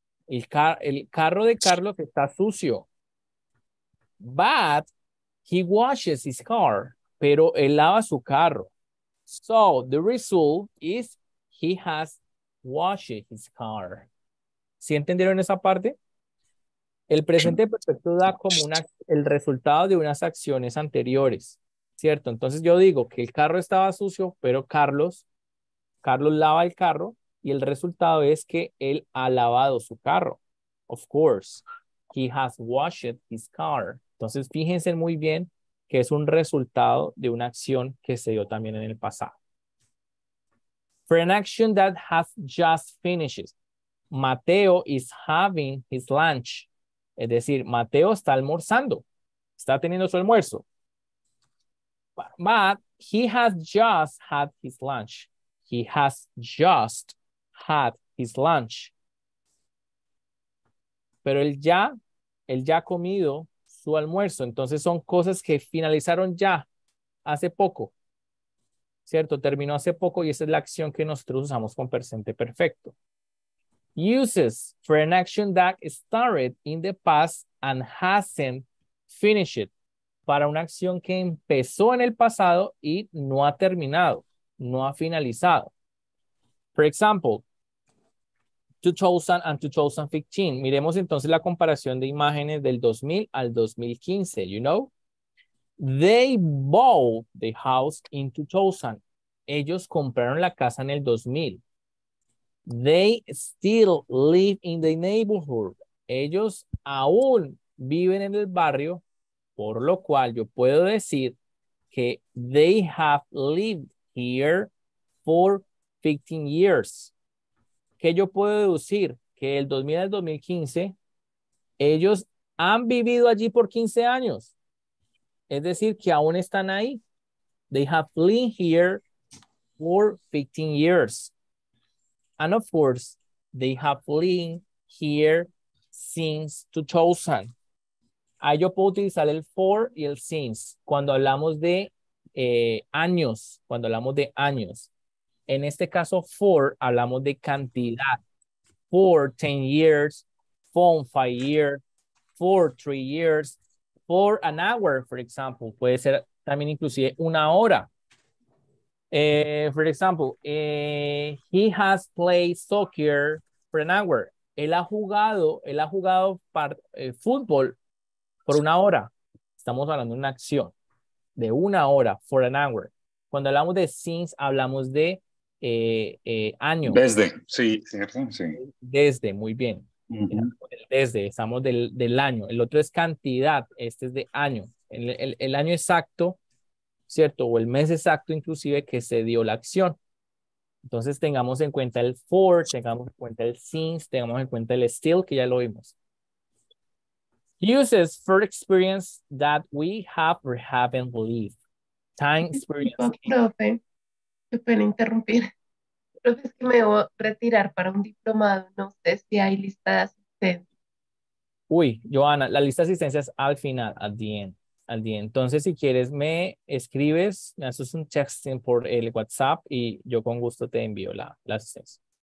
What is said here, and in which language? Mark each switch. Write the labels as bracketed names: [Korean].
[Spanish] El carro de Carlos está sucio. [English] But he washes his car. [Spanish] pero él lava su carro. [English] So the result is he has washed his car. [Spanish] ¿Sí entendieron esa parte? El presente perfecto da como una, el resultado de unas acciones anteriores, ¿cierto? Entonces yo digo que el carro estaba sucio, pero Carlos lava el carro y el resultado es que él ha lavado su carro. [English] Of course, he has washed his car. [Spanish] Entonces fíjense muy bien que es un resultado de una acción que se dio también en el pasado. [English] For an action that has just finished. Mateo is having his lunch. [Spanish] Es decir, Mateo está almorzando. Está teniendo su almuerzo. [English] But he has just had his lunch. He has just had his lunch. [Spanish] Pero él ya ha comido su almuerzo. Entonces son cosas que finalizaron ya hace poco. ¿Cierto? Terminó hace poco y esa es la acción que nosotros usamos con presente perfecto. [English] Uses for an action that started in the past and hasn't finished. [Spanish] Para una acción que empezó en el pasado y no ha terminado, no ha finalizado. [English] For example, 2000 and 2015. [Spanish] Miremos entonces la comparación de imágenes del 2000 al 2015, [English] you know. They bought the house in 2000. [Spanish] Ellos compraron la casa en el 2000. [English] They still live in the neighborhood. [Spanish] Ellos aún viven en el barrio, por lo cual yo puedo decir que [English] they have lived here for 15 years. [Spanish] ¿Qué yo puedo deducir? Que el 2000 al 2015, ellos han vivido allí por 15 años. Es decir, que aún están ahí. [English] They have lived here for 15 years. And of course, they have lived here since 2000. [Spanish] Ahí yo puedo utilizar el for y el since cuando hablamos de años, cuando hablamos de años. En este caso, [English] for, [Spanish] hablamos de cantidad. [English] For 10 years, for 5 years, for 3 years, for an hour, for example. [Spanish] Puede ser también inclusive una hora. [English] For example, he has played soccer for an hour. [Spanish] Él ha jugado fútbol por una hora. Estamos hablando de una acción de una hora, [English] for an hour. [Spanish] Cuando hablamos de since, hablamos de año. Desde, sí, cierto, sí. Desde, muy bien. Uh-huh. Desde, estamos del año. El otro es cantidad, este es de año. El año exacto, ¿cierto? O el mes exacto, inclusive, que se dio la acción. Entonces, tengamos en cuenta el for, tengamos en cuenta el since, tengamos en cuenta el still, que ya lo vimos. [English] Uses for experience that we have or haven't lived. Time experience. [Spanish] Pena interrumpir. Creo que es que me voy a retirar para un diplomado. No sé si hay lista de asistencia. Uy, Joana, la lista de asistencia es al final, al día. Entonces, si quieres, me escribes, me haces un texting por el WhatsApp y yo con gusto te envío la asistencia.